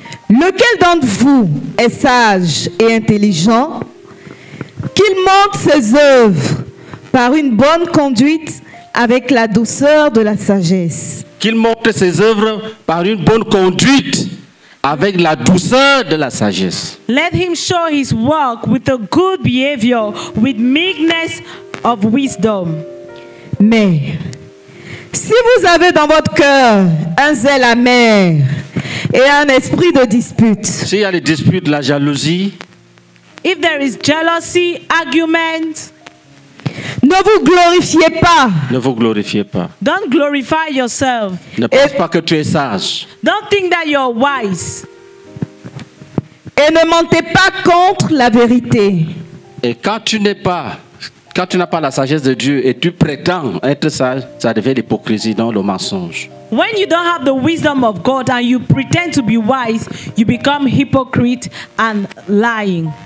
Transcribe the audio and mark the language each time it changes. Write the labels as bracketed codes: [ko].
[fr] Lequel d'entre vous est sage et intelligent, qu'il montre ses œuvres par une bonne conduite avec la douceur de la sagesse. qu'il montre ses œuvres par une bonne conduite avec la douceur de la sagesse. [en] Let him show his work with a good behavior, with meekness of wisdom. [fr] Mais si vous avez dans votre cœur un zèle amer et un esprit de dispute. S'il y a des disputes, la jalousie. [en] If there is jealousy, argument. [fr] Ne vous glorifiez pas. Ne vous glorifiez pas. [en] Don't glorify yourself. [fr] Ne pense pas que tu es sage. [en] Don't think that you're wise. [fr] Et ne mentez pas contre la vérité. Et quand tu n'es pas, quand tu n'as pas la sagesse de Dieu et tu prétends être sage, ça devient l'hypocrisie, non le mensonge. [en] When you don't have the wisdom of God and you pretend to be wise, you become hypocrite and lying.